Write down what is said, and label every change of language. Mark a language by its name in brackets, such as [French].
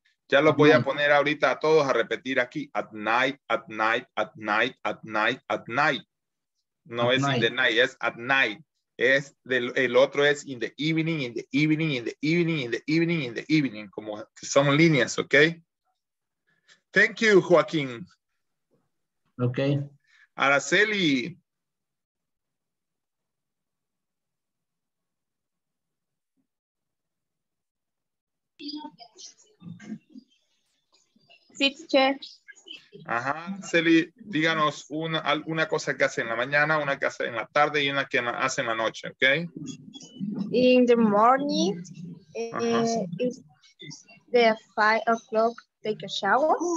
[Spanish] Ya lo voy a poner ahorita a todos a repetir aquí. [English] At night, at night, at night, at night, at night. [Spanish] No es [English] in the night, [Spanish] es [English] at night. [Spanish] Es del, el otro es [English] in the evening, in the evening, in the evening, in the evening, in the evening. [Spanish] Como son líneas, ¿ok? [English] Thank you, [Spanish] Joaquín. Ok. Araceli. Sí, teacher. Ajá, Celi, díganos una cosa que hace en la mañana, una que hace en la tarde y una que hace en la noche, ¿ok? [English] In the morning, it's the 5 o'clock, take a shower.